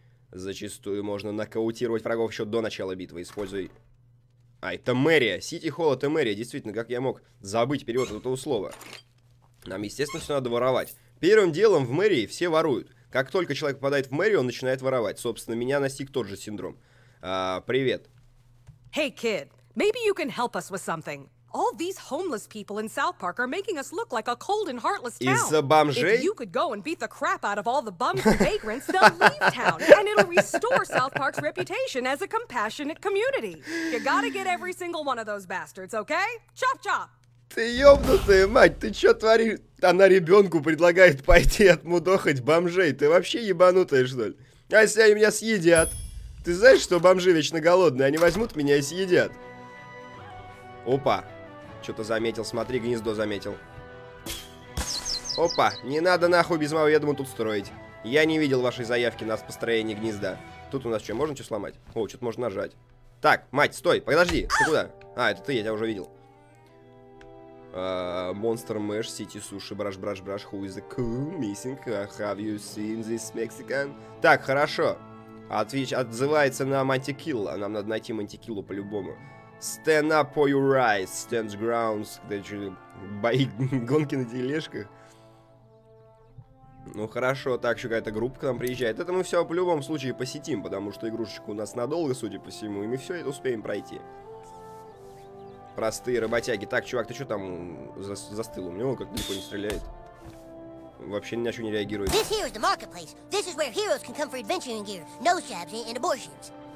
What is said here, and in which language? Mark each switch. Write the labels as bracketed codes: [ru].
[ru] Зачастую можно нокаутировать врагов еще до начала битвы, используя... А, это мэрия. Сити Холл это мэрия. Действительно, как я мог забыть перевод этого слова? Нам, естественно, все надо воровать. Первым делом в мэрии все воруют. Как только человек попадает в мэрию, он начинает воровать. Собственно, меня настиг тот же синдром. А, привет. [en] Hey, kid. Maybe you can help us with something. All these homeless people in South Park are making us look like a cold and heartless town. [ru] Из-за бомжей? [en] If you could go and beat the crap out of all the bums and vagrants, they'll leave town, and it'll restore South Park's reputation as a compassionate community. You gotta get every single one of those bastards, okay? Chop chop. [ru] Ты ёбнутая мать, ты чё творишь? Она ребенку предлагает пойти отмудохать бомжей. Ты вообще ебанутая, что ли? А если они меня съедят? Ты знаешь, что бомжи вечно голодные, они возьмут меня и съедят. Опа, что-то заметил, смотри, гнездо заметил. Опа, не надо нахуй без моего ведома тут строить. Я не видел вашей заявки на построение гнезда. Тут у нас что, можно что сломать? О, что-то можно нажать. Так, мать, стой, подожди, ты куда? А, это ты, я тебя уже видел. [en] Monster Mash, City Sushi, Brush, Brush, Brush, who is the cool missing? Have you seen this Mexican? [ru] Так, хорошо. Отзывается на Мантикилла, нам надо найти Мантикиллу по-любому. [en] Stand up for your rights, stand grounds, [ru] бои, гонки на тележках. Ну хорошо, так, еще какая-то группа к нам приезжает. Это мы все в любом случае посетим, потому что игрушечка у нас надолго, судя по всему, и мы все это успеем пройти. Простые работяги. Так, чувак, ты что там застыл? У него как далеко не стреляет. Вообще ни на что не реагирует. [en] This here is the marketplace. This is where heroes can come for adventuring gear, nose jabs and abortions.